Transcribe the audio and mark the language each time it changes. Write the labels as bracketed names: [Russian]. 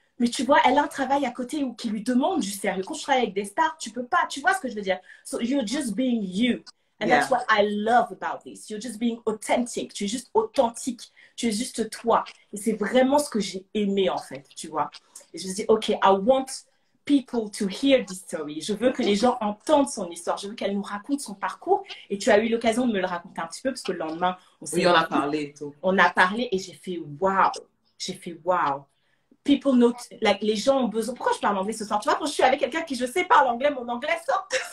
[French] Mais tu vois, elle a un travail à côté qui lui demande du sérieux. Quand je travaille avec des stars, tu peux pas. Tu vois ce que je veux dire? [English] So, you're just being you. And that's what I love about this. You're just being authentic. [French] Tu es juste authentique. Tu es juste toi. Et c'est vraiment ce que j'ai aimé, en fait, tu vois. Et je me dis, [English] OK, I want people to hear this story. [French] Je veux que les gens entendent son histoire. Je veux qu'elle nous raconte son parcours. Et tu as eu l'occasion de me le raconter un petit peu parce que le lendemain, on s'est... Oui, on a parlé et tout. On a parlé et j'ai fait, wow. J'ai fait, wow. [English] People know, like, [French] les gens ont besoin. Pourquoi je parle anglais ce soir? Tu vois, quand je suis avec quelqu'un qui, je sais, parle anglais, mon anglais sort.